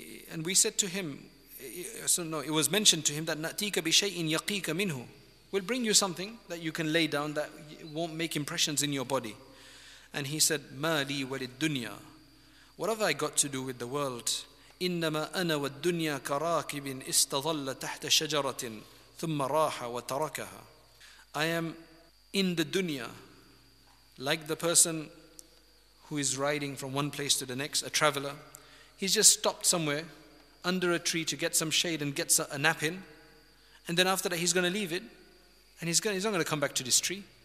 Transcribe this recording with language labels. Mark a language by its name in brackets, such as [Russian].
[English] And we said to him, it was mentioned to him that [Arabic] نَأْتِيكَ بِشَيْءٍ يَقِيكَ مِنْهُ. [English] We'll bring you something that you can lay down that won't make impressions in your body. And he said, [Arabic] مَا لِي وَلِلدُّنْيَا. [English] What have I got to do with the world? [Arabic] إنما أنا والدنيا كراكب استظل تحت شجرة ثم راح وتركها. [English] I am in the dunya like the person who is riding from one place to the next, a traveler. He's just stopped somewhere under a tree to get some shade and get a nap in. And then after that, he's going to leave it. And he's not going to come back to this tree.